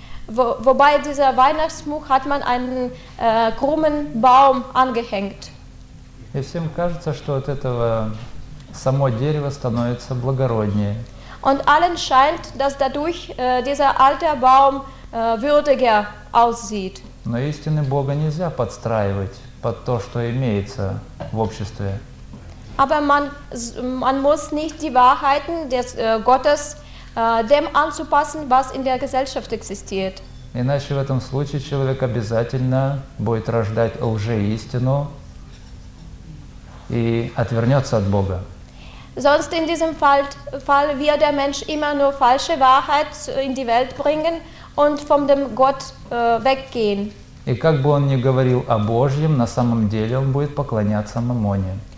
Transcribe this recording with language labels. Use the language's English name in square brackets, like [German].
[German] Wobei dieser Weihnachtsschmuck hat man einen krummen Baum angehängt. [Russian] И всем кажется, что от этого само дерево становится благороднее. [German] Und allen scheint, dass dadurch dieser alte Baum würdiger aussieht. [Russian] Но истины Бога нельзя подстраивать под то, что имеется в обществе. [German] Aber man muss nicht die Wahrheiten des Gottes dem anzupassen, was in der Gesellschaft existiert. [Russian] Иначе в этом случае человек обязательно будет рождать лжеистину и отвернется от Бога. [German] Sonst in diesem Fall wird der Mensch immer nur falsche Wahrheit in die Welt bringen und von dem Gott weggehen. [Russian] И как бы он ни говорил о Божьем, на самом деле он будет поклоняться Мамоне.